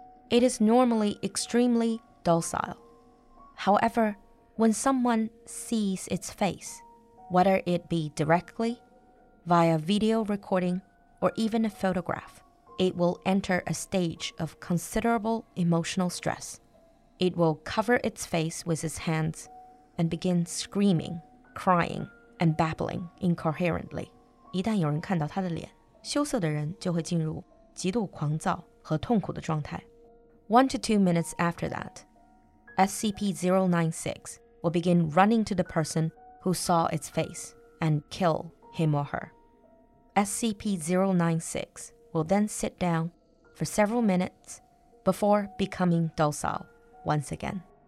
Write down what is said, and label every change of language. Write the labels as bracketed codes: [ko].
[en] It is normally extremely docile. However, when someone sees its face, whether it be directly, via video recording, or even a photograph, it will enter a stage of considerable emotional stress. It will cover its face with its hands and begin screaming, crying, and babbling incoherently. [zh] 一旦有人看到他的脸，羞涩的人就会进入极度狂躁和痛苦的状态。 [en] 1 to 2 minutes after that, SCP-096 will begin running to the person who saw its face and kill him or her. SCP-096 will then sit down for several minutes before becoming docile once again.